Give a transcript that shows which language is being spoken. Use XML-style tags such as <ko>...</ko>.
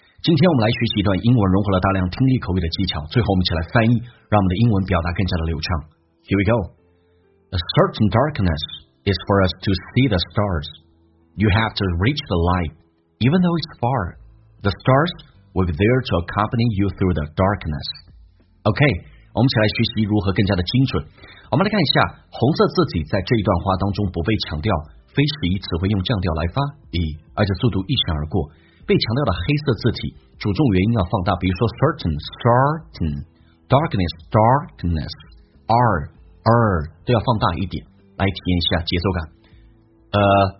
<zh>今天我们来学习一段英文融合了大量听力口语的技巧，最后我们一起来翻译，让我们的英文表达更加的流畅。</zh> <en>Here we go。 A certain darkness is for us to see the stars. You have to reach the light. Even though it's far, the stars will be there to accompany you through the darkness.</en> <zh>OK，我们一起来学习如何更加的精准。我们来看一下红色字体在这一段话当中不被强调，非是以词汇用降调来发，而且速度一闪而过。被强调的黑色字体主重元音要放大，比如说</zh> <en>certain darkness darkness</en> <zh>r 都要放大一点，来体验一下节奏感。</zh>